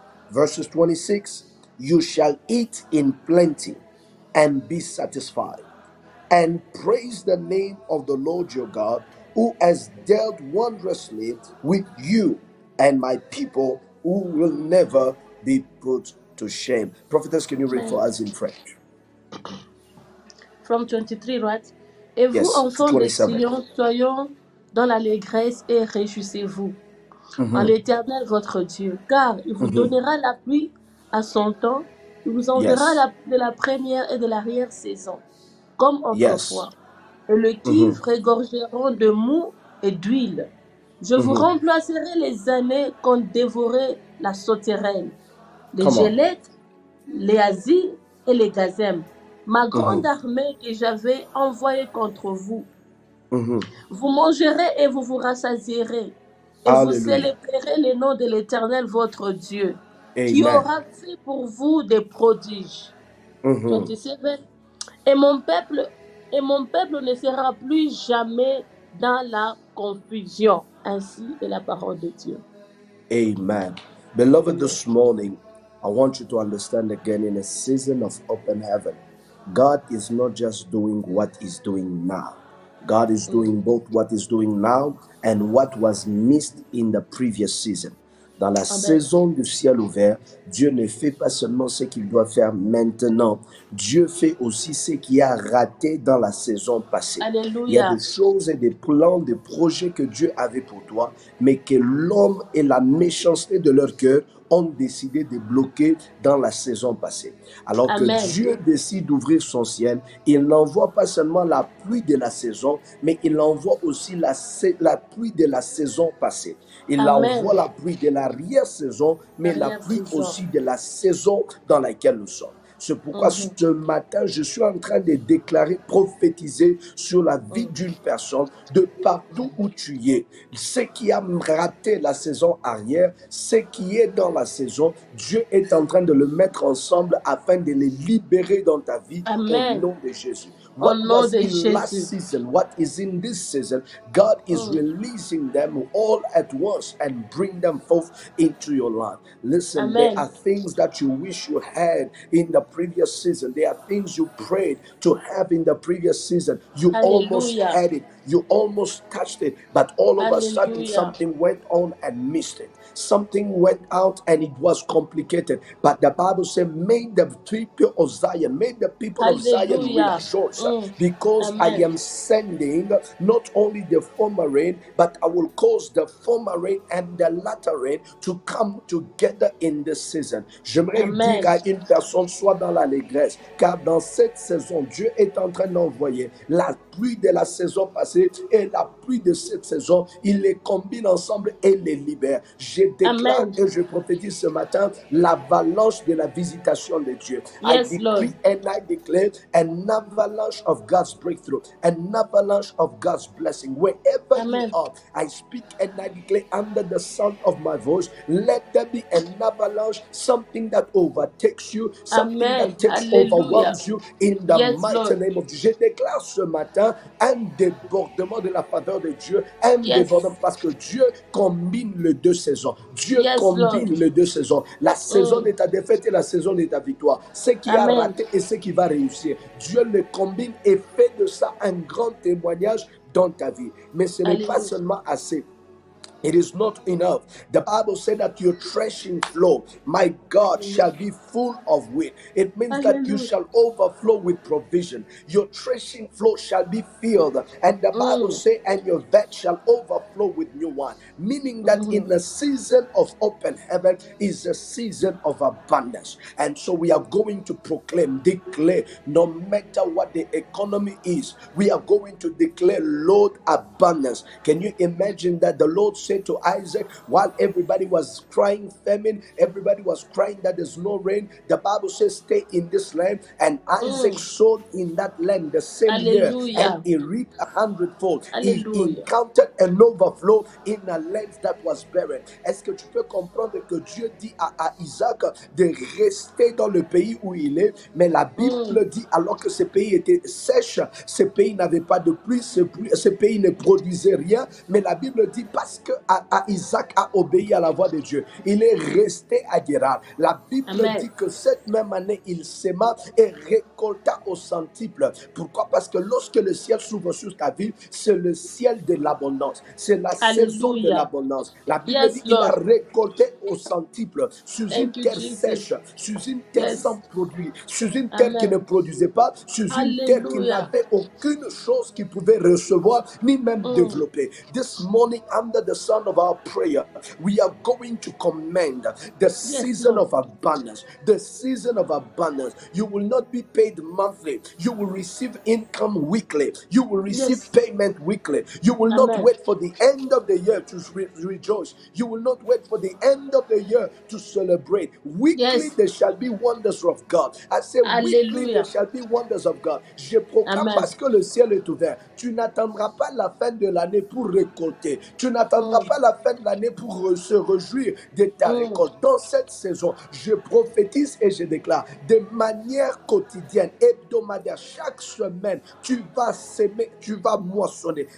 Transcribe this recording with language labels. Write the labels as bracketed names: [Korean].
[English] Verses 26, you shall eat in plenty and be satisfied, and praise the name of the Lord your God, who has dealt wondrously with you and my people, who will never be put to shame. Prophetess, can you read for us in French? From 23, right? [French] Et vous, yes, enfants de Sion, soyons dans l'allégresse et réjouissez-vous mm-hmm. en l'Éternel votre Dieu, car il vous mm-hmm. donnera la pluie à son temps, il vous enverra yes. De la première et de l'arrière saison, comme autrefois. Yes. Et le cuivre mm-hmm. régorgeront de mou et d'huile. Je mm-hmm. vous remplacerai les années qu'ont dévoré la sauterelle. Les gelettes, les asiles et les gazèmes, ma grande mm-hmm. armée que j'avais envoyée contre vous. Mm-hmm. Vous mangerez et vous vous rassasierez. Et Alléluia. Vous célébrerez le nom de l'Éternel, votre Dieu, Amen. Qui aura fait pour vous des prodiges. Mm-hmm. 27. Et mon peuple ne sera plus jamais dans la confusion. Ainsi est la parole de Dieu. Amen. [English] Beloved, this morning, I want you to understand again, in a season of open heaven, God is not just doing what he's doing now. God is doing both what he's doing now and what was missed in the previous season. [French] Dans la Amen. Saison du ciel ouvert, Dieu ne fait pas seulement ce qu'il doit faire maintenant. Dieu fait aussi ce qui a raté dans la saison passée. Alléluia. Il y a des choses et des plans, des projets que Dieu avait pour toi, mais que l'homme et la méchanceté de leur cœur ont décidé de bloquer dans la saison passée. Alors Amen. Que Dieu décide d'ouvrir son ciel, il n'envoie pas seulement la pluie de la saison, mais il envoie aussi la pluie de la saison passée. Il Amen. Envoie la pluie de l'arrière-saison, mais la pluie aussi de la saison dans laquelle nous sommes. C'est pourquoi ce matin, je suis en train de déclarer, prophétiser sur la vie d'une personne de partout où tu es. Ce qui a raté la saison arrière, ce qui est dans la saison, Dieu est en train de le mettre ensemble afin de les libérer dans ta vie. Amen. Au nom de Jésus. [English] What was in last season, what is in this season, God is releasing them all at once and bring them forth into your life. Listen, Amen. There are things that you wish you had in the previous season. There are things you prayed to have in the previous season. You Hallelujah. Almost had it. You almost touched it. But all of Hallelujah. A sudden, something went on and missed it. Something went out and it was complicated. But the Bible said, may the people of Zion, may the people Hallelujah. Of Zion rejoice. Because Amen. I am sending not only the former rain, but I will cause the former rain and the latter rain to come together in this season. [French] J'aimerais Amen. Dire à une personne, soit dans l'allégresse, car dans cette saison, Dieu est en train d'envoyer la pluie de la saison passée et la pluie de cette saison. Il les combine ensemble et les libère. Je déclare Amen. Et je prophétise ce matin l'avalanche de la visitation de Dieu. [English] Yes, I decree Lord. And I declare an avalanche of God's breakthrough, an avalanche of God's blessing. Wherever Amen. You are, I speak and I declare under the sound of my voice, let there be an avalanche, something that overtakes you, something Amen. That takes Alleluia. Overwhelms you in the yes, mighty Lord. Name of Jesus. [French] Je déclare ce matin un débordement de la faveur de Dieu, un [English] yes. [French] débordement parce que Dieu combine les deux saisons. Dieu [English] yes, [French] combine [English] Lord. [French] Les deux saisons. La saison de ta défaite et la saison de ta victoire. Ce qui Amen. A raté et ce qui va réussir. Dieu les combine et fait de ça un grand témoignage dans ta vie. Mais ce n'est Alleluia. Pas seulement assez. [English] It is not enough. The Bible said that your threshing floor, my God, shall be full of wheat. It means Hallelujah. That you shall overflow with provision. Your threshing floor shall be filled. And the Bible say, and your vat shall overflow with new wine. Meaning that in the season of open heaven is a season of abundance. And so we are going to proclaim, declare, no matter what the economy is, we are going to declare, Lord, abundance. Can you imagine that the Lord said to Isaac, while everybody was crying famine, everybody was crying that there's no rain, the Bible says stay in this land, and Isaac sowed in that land the same Alleluia. Year, and he reaped a hundredfold. Alleluia. He encountered an overflow in a land that was barren. [French] Est-ce que tu peux comprendre que Dieu dit à Isaac de rester dans le pays où il est, mais la Bible dit alors que ce pays était sèche, ce pays n'avait pas de pluie, ce pays ne produisait rien, mais la Bible dit parce que à Isaac a obéi à la voix de Dieu. Il est resté à Gérard. La Bible Amen. Dit que cette même année, il s'éma et récolta au centuple. Pourquoi? Parce que lorsque le ciel s'ouvre sur ta vie, c'est le ciel de l'abondance. C'est la Alléluia. Saison de l'abondance. La Bible [English] yes, [French] dit qu'il a récolté au centuple, sous [English] Thank [French] une terre [English] Jesus. [French] Sèche, sous une terre [English] yes. [French] sans produit, sous une Amen. Terre qui ne produisait pas, sous Alléluia. Une terre qui n'avait aucune chose qu'il pouvait recevoir, ni même développer. [English] This morning, under the sound of our prayer, we are going to commend the season yes, of abundance. The season of abundance. You will not be paid monthly. You will receive income weekly. You will receive yes. payment weekly. You will Amen. Not wait for the end of the year to rejoice. You will not wait for the end of the year to celebrate. Weekly yes. there shall be wonders of God. I say Alleluia. Weekly there shall be wonders of God. [French] Je proclame parce que le ciel est ouvert. Tu n'attendras pas la fin de l'année pour récolter. Tu n'attendras pas la fin de l'année pour se réjouir de ta récolte. Dans cette saison, je prophétise et je déclare de manière quotidienne, hebdomadaire, chaque semaine, tu vas semer, tu vas moissonner.